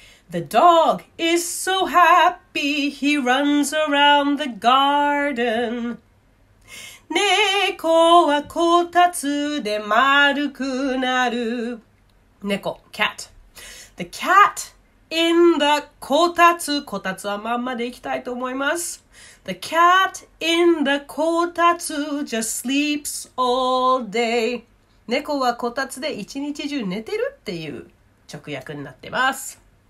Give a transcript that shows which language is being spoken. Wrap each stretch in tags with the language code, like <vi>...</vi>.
<en>The dog is so happy, he runs around the garden.</en> <ja>猫はこたつで丸くなる。</ja> <en>猫、cat. The cat in the こたつ。</en> <ja>こたつはまんまでいきたいと思います。</ja> <en>The cat in the kotatsu just sleeps all day.</en> <ja>猫はこたつで一日中寝てるっていう直訳になってます。</ja>